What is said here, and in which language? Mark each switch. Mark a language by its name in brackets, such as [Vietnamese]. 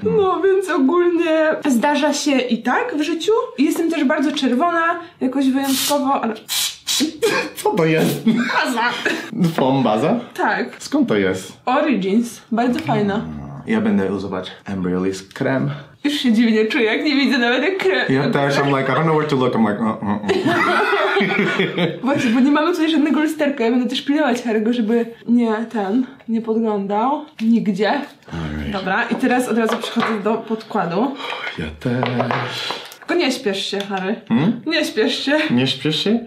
[Polish] No, więc ogólnie zdarza się i tak w życiu. Jestem też bardzo czerwona, jakoś wyjątkowo, ale... Co to jest? Baza! Twoją baza? Tak. Skąd to jest? Origins. Bardzo fajna. Ja będę używać Embryolisse krem. Już się dziwnie czuję, jak nie widzę nawet jak krem. Ja też, [English] I'm like, I don't know where to look, I'm like, [Polish] Właśnie, bo nie mamy tutaj żadnego lusterka, ja będę też pilnować Harry'ego, żeby nie ten, nie podglądał nigdzie. [English] Alright. [Polish] Dobra, i teraz od razu przechodzę do podkładu. Ja też. Tylko nie śpiesz się, Harry. Hmm? Nie śpiesz się. Nie śpiesz się?